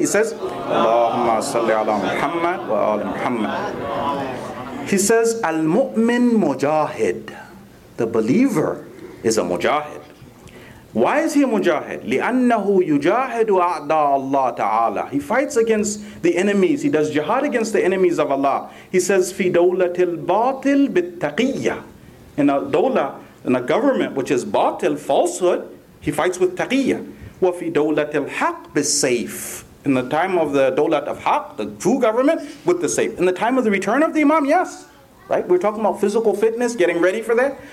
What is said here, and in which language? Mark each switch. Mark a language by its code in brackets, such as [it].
[en] He says, [ar] Allahumma salli ala Muhammad wa ala Muhammad. [en] He says, [ar] al-mu'min mujahid. [en] The believer is a mujahid. Why is he a mujahid? [ar] لِأَنَّهُ يُجَاهِدُ أَعْدَى اللَّهِ تَعَالَى. [en] He fights against the enemies. He does jihad against the enemies of Allah. He says, [ar] فِي دَوْلَةِ الْبَاطِلِ بِالتَّقِيَّةِ. [en] In a dawla, in a government which is batil, falsehood, he fights with taqiyya. [ar] وَفِي دَوْلَةِ الْحَقِّ بِالسَّيْفِ. [en] In the time of the dawlat of haq, the true government, with the safe. In the time of the return of the imam, yes. Right? We're talking about physical fitness, getting ready for that.